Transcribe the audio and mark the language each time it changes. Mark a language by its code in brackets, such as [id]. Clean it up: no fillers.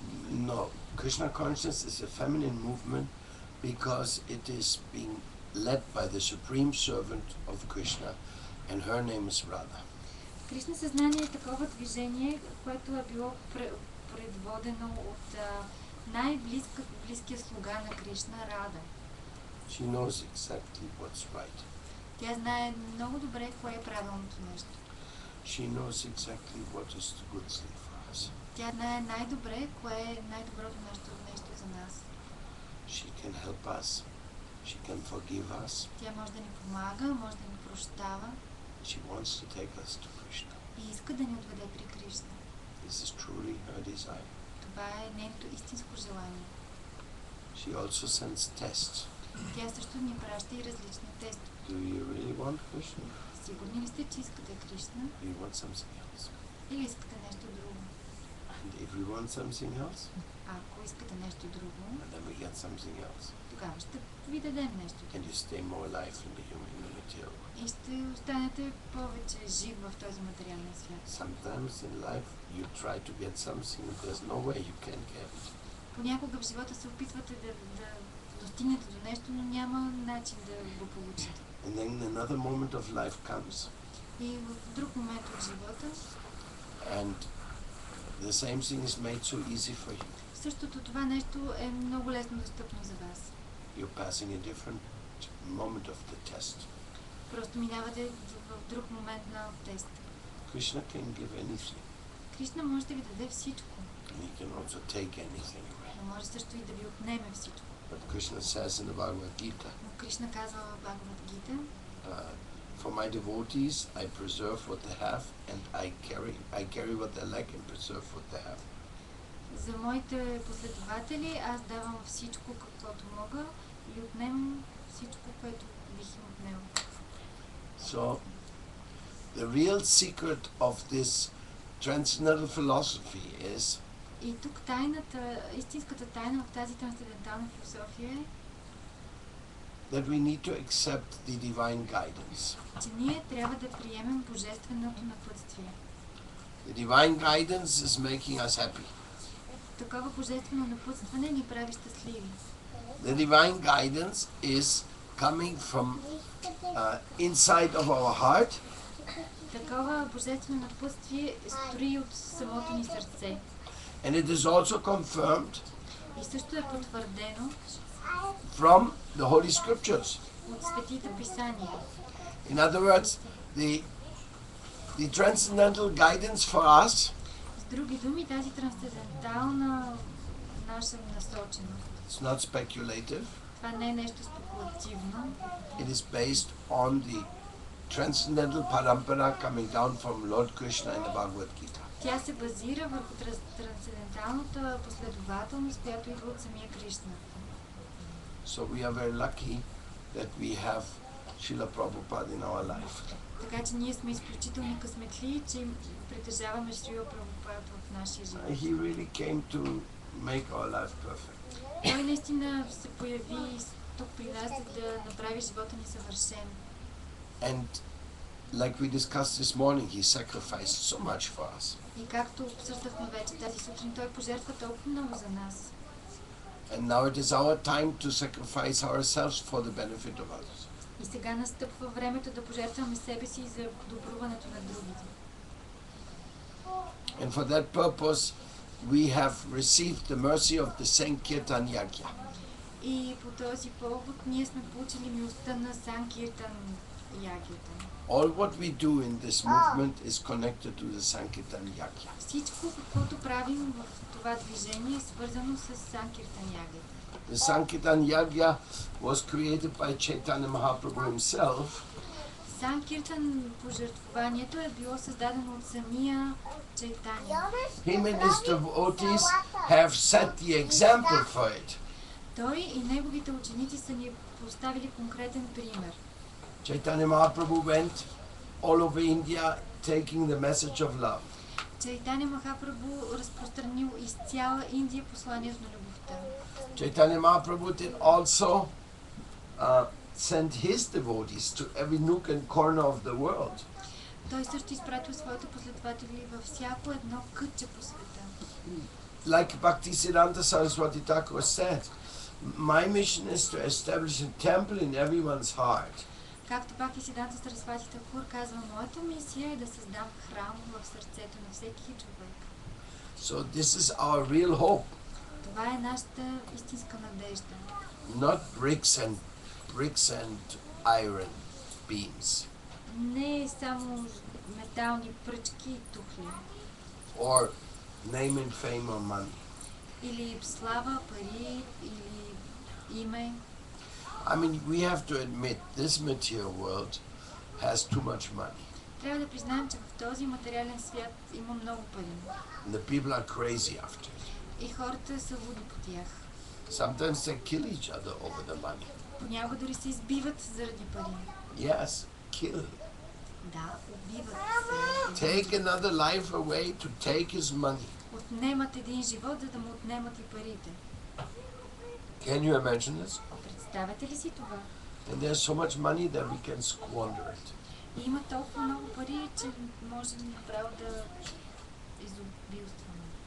[en] No, Krishna consciousness is a feminine movement because it is being led by the supreme servant of Krishna, and her name is Radha. [bg] Krishna съзнание е такова движение, което е било предводено от най-близкия слуга на Кришна, Рада. [en] She knows exactly what's right. [bg] Тя знае много добре кое е правилното нещо. [en] She knows exactly what is the good thing for us. [bg] Тя знае най-добре кое е най-доброто нещо за нас. [en] She can help us. She can forgive us. [bg] Тя може да ни помага, може да ни прощава. [en] She wants to take us to Krishna. [bg] И иска да ни отведе при Кришна. [en] This is truly her desire. [bg] Това е нейното истинско желание. [en] She also sends tests. [bg] Тя също ни праща и различни тестове. [en] Do you really want Krishna? [bg] Сигурни ли сте, че искате Кришна? [en] Do you want something else? [bg] Или искате нещо друго? [en] And if we want something else? [bg] Ако искате нещо друго, [en] then we get something else. [bg] Тогава ще ви дадем нещо друго. [en] And you stay more alive in the human material. [bg] И ще останете повече жив в този материален свят. [en] Sometimes in life you try to get something, but there's no way you can get it. [bg] Понякога в живота се опитвате да достигнете до нещо, но няма начин да го получите. [en] And then another moment of life comes. [bg] И в друг момент от живота. [en] And the same thing is made so easy for you. [bg] Същото това нещо е много лесно достъпно за вас. [en] You're passing a different moment of the test. [bg] Просто минавате в друг момент на тест. [en] Krishna can give anything. [bg] Кришна може да ви даде всичко. [en] He can also take anything away. [bg] Но може също и да ви отнеме всичко. [en] But Krishna says in the Bhagavad Gita. [bg] Но Кришна казва в Бхагавад Гита. [en] For my devotees, I preserve what they have, and I carry what they lack, and preserve what they have. [bg] За моите последователи, аз давам всичко, каквото мога, и отнемам всичко, което бих им отнел. [en] So, the real secret of this transcendental philosophy is. [bg] И тук тайната, истинската тайна в тази трансцендентална философия е. [en] That we need to accept the divine guidance. [bg] Ние трябва да приемем божественото напътствие. [en] The divine guidance is making us happy. [bg] Такова божествено напътстване ни прави щастливи. [en] The divine guidance is coming from inside of our heart. [bg] Такова божествено напътствие строи от самото ни сърце. [en] And it is also confirmed. [bg] И също е потвърдено. [en] From the Holy Scriptures. [bg] От Светите Писания. [en] In other words, the transcendental guidance for us. [bg] С други думи, тази трансцендентална наша насоченост. [en] It's not speculative. [bg] Това не е нещо спекулативно. [en] It is based on the transcendental parampara coming down from Lord Krishna in the Bhagavad Gita. [bg] Тя се базира върху трансценденталната последователност, която идва от самия Кришна. [en] So we are very lucky that we have Srila Prabhupada in our life. [bg] Така че ние сме изключително късметли, че притежаваме Srila Prabhupada в нашия живот. [en] He really came to make our life perfect. [bg] Той наистина се появи тук при нас, за да направи живота ни съвършен. [en] And like we discussed this morning, he sacrificed so much for us. [bg] И както обсъждахме вече тази сутрин, той пожертва толкова много за нас. [en] And now it is our time to sacrifice ourselves for the benefit of others. [bg] И сега настъпва времето да пожертваме себе си за доброването на другите. [en] And for that purpose, we have received the mercy of the Sankirtan Yagya. [bg] И по този повод ние сме получили милостта на Sankirtan Yagya. [en] All what we do in this movement is connected to the Sankirtan Yagya. [bg] Всичко, което правим в това движение, е свързано с Sankirtan Yagya. [en] The Sankirtan Yagya was created by Chaitanya Mahaprabhu himself. [bg] Sankirtan пожертвованието е било създадено от самия Chaitanya. [en] Him and his devotees have set the example for it. [bg] Той и неговите ученици са ни поставили конкретен пример. [en] Chaitanya Mahaprabhu went all over India taking the message of love. [bg] Chaitanya Mahaprabhu разпространил из цяла Индия посланието на любовта. [en] Chaitanya Mahaprabhu then also sent his devotees to every nook and corner of the world. [bg] Той също изпратил своите последователи във всяко едно кътче по света. [en] Like Bhaktisiddhanta Saraswati Thakur said, my mission is to establish a temple in everyone's heart. [bg] Както Бхактисиддханта Сарасвати Такур казва, моята мисия е да създам храм в сърцето на всеки човек. [en] So this is our real hope. [bg] Това е нашата истинска надежда. [en] Not bricks and iron beams. [bg] Не само метални пръчки и тухли. [en] Or name and fame or money. [bg] Или слава, пари или име. [en] I mean, we have to admit this material world has too much money. [bg] Трябва да признаем, че в този материален свят има много пари. [en] The people are crazy after. [bg] И хората са луди по тях. [en] Sometimes they kill each other over the money. [bg] Понякога дори се избиват заради пари. [en] Yes, kill. [bg] Да, убиват се. [en] Take another life away to take his money. [bg] Отнемат един живот, за да му отнемат и парите. [en] Can you imagine this? [bg] Представете ли си това? [en] And there's so much money that we can squander it. [bg] Има толкова много пари, че можем направо да изобилстваме.